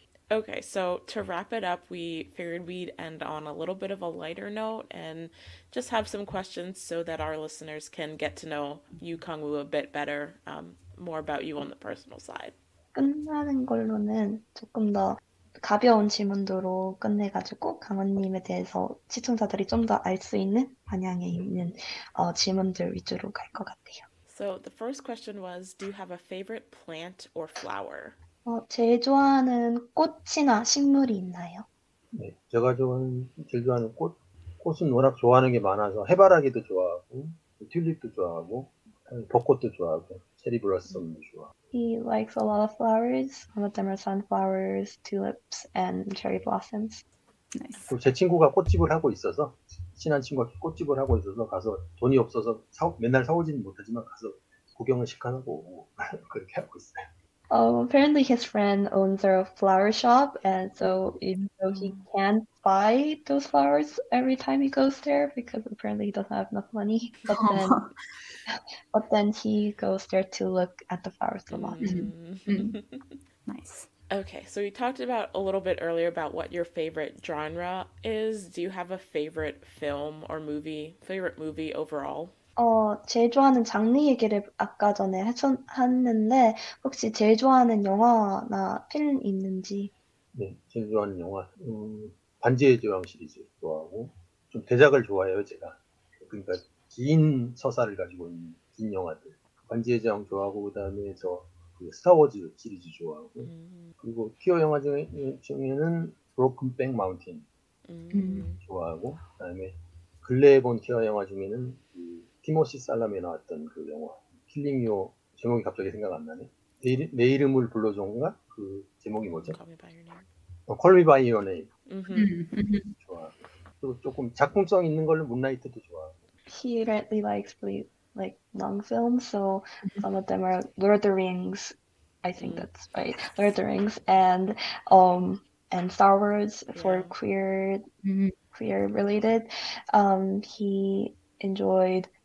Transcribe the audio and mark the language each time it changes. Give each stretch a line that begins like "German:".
English: Okay, so to wrap it up, we figured we'd end on a little bit of a lighter note and just have some questions so that our listeners can get to know you, Kangwoo, a bit better, more about you on the personal side.
Korean: 끝나는 걸로는 조금 더 가벼운 질문도로 끝내가지고 강원님에 대해서 시청자들이 좀더 알 수 있는 방향에 있는 질문들 위주로 갈것 같아요.
English: So the first question was, do you have a favorite plant or flower?
Korean: 제일 좋아하는 꽃이나 식물이 있나요? 네, 제가 즐겨하는 꽃은 워낙 좋아하는 게 많아서 해바라기도 좋아하고 튤립도 좋아하고 벚꽃도 좋아하고 체리 블러썸도 좋아.
English: He likes a lot of flowers. Some of them are sunflowers, tulips, and cherry blossoms. Nice.
Korean: 제 친구가 꽃집을 하고 있어서, 친한 친구가 꽃집을 하고 있어서 가서 돈이 없어서 맨날 사오지는 못하지만 가서 구경을 시켜놓고 그렇게 하고 있어요.
English: Apparently his friend owns a flower shop, and so even though he can't buy those flowers every time he goes there because apparently he doesn't have enough money, but then he goes there to look at the flowers a lot. Nice. Okay, so we talked about a little bit earlier about what your favorite genre is. Do you have a favorite film or movie, favorite movie overall?
Korean: 제일 좋아하는 장르 얘기를 아까 전에 했었는데 혹시 제일 좋아하는 영화나 필름 있는지? 네, 제일 좋아하는 영화, 반지의 제왕 시리즈 좋아하고, 좀 대작을 좋아해요, 제가. 그러니까, 긴 서사를 가지고 있는 긴 영화들. 반지의 제왕 좋아하고, 그다음에 스타워즈 시리즈 좋아하고, 그리고 퀴어 영화 중에는 브로큰 백 마운틴 좋아하고, 그다음에 근래에 본 퀴어 영화 중에는 티모시 살라메 나왔던 그 영화, 킬링 요, 제목이 갑자기 생각 안 나네. 내 이름을 불러줘인가? 그 제목이 뭐죠?
English: Call me by your name. Call Me By Your Name. Mm-hmm.
Korean: 좋아. 또 조금 작품성 있는 걸로 문나이트도 좋아.
English: He really likes like long films, so some of them are Lord of the Rings. I think that's right. Lord of the Rings and Star Wars for Yeah. queer related. He enjoyed.